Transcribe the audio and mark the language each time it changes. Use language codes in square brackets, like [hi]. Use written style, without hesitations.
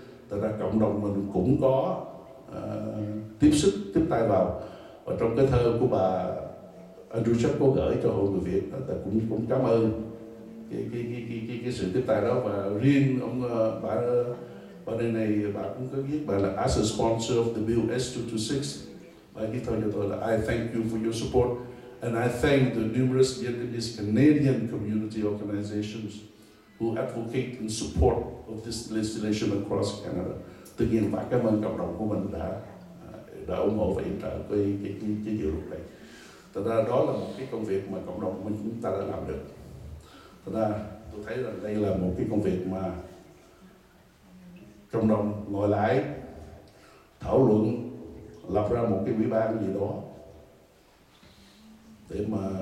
[vi] Thật ra cộng đồng mình cũng có tiếp sức, tiếp tay vào. Và trong cái thơ của bà Andrew Chuck có gửi cho hội người Việt đó, cũng cảm ơn cái sự tiếp tay đó. Và riêng ông bà đây này, bà cũng có viết, bà là [en] as a sponsor of the bill S226. [vi] Bà ghi thơ cho tôi là [en] I thank you for your support and I thank the numerous Vietnamese Canadian community organizations who advocate and support of this legislation across Canada. [vi] Tự nhiên bà cảm ơn cộng đồng của mình đã ủng hộ và hỗ trợ với cái dự luật này. Thật ra đó là một cái công việc mà cộng đồng mình chúng ta đã làm được. Thật ra tôi thấy là đây là một cái công việc mà cộng đồng ngồi lại thảo luận, lập ra một cái ủy ban gì đó để mà